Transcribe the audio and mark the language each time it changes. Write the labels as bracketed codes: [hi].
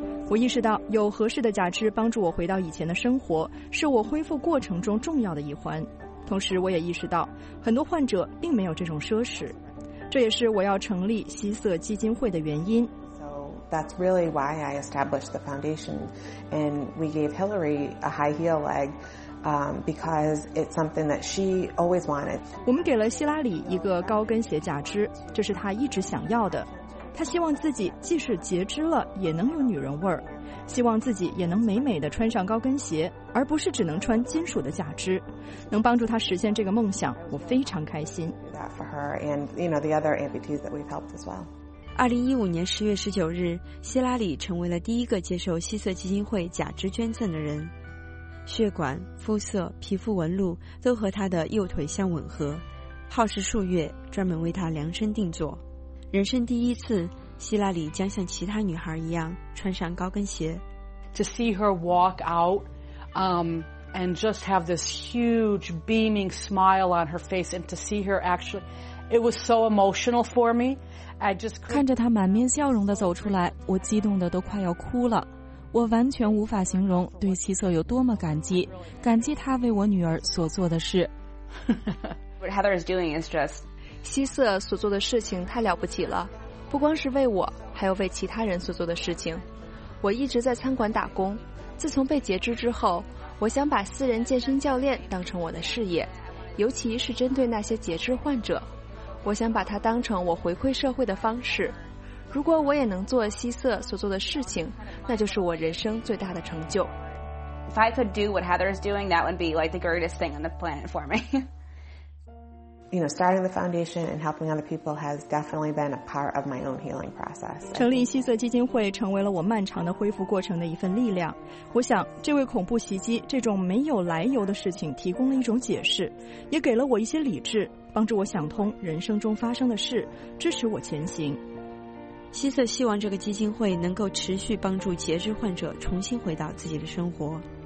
[zh] 我意识到有合适的假肢帮助我回到以前的生活是我恢复过程中重要的一环，同时我也意识到很多患者并没有这种奢侈，这也是我要成立希瑟基金会的原因。 [en] That's really why I established the foundation, and we gave Hillary a high heel leg, because it's something that she always wanted. [zh] 我们给了希拉里一个高跟鞋假肢，这是她一直想要的。他希望自己即使截肢了也能有女人味儿，希望自己也能美美地穿上高跟鞋，而不是只能穿金属的假肢。能帮助他实现这个梦想，我非常开心。 2015年10月19日，希拉里成为了第一个接受希瑟基金会假肢捐赠的人。血管、肤色、皮肤纹路都和他的右腿相吻合，耗时数月专门为他量身定做。人生第一次，希拉里将像其他女孩一样穿上高跟鞋。 [en] To see her walk out, and just have this huge beaming smile on her face, and to see her actually, it was so emotional for me. I just [zh] 看着她满面笑容的走出来，我激动的都快要哭了。我完全无法形容对希瑟有多么感激，感激她为我女儿所做的事。 [en] What Heather is doing is just. [zh] 希瑟所做的事情太了不起了，不光是为我，还有为其他人所做的事情。我一直在餐馆打工，自从被截肢之后，我想把私人健身教练当成我的事业，尤其是针对那些截肢患者。我想把它当成我回馈社会的方式。如果我也能做希瑟所做的事情，那就是我人生最大的成就。 [en] If I could do what Heather is doing, that would be like the greatest thing on the planet for me. You know, starting the foundation and helping other people has definitely been a part of my own healing process. [zh] 成立希瑟基金会成为了我漫长的恢复过程的一份力量。我想，这位恐怖袭击这种没有来由的事情提供了一种解释，也给了我一些理智，帮助我想通人生中发生的事，支持我前行。希瑟希望这个基金会能够持续帮助截肢患者重新回到自己的生活。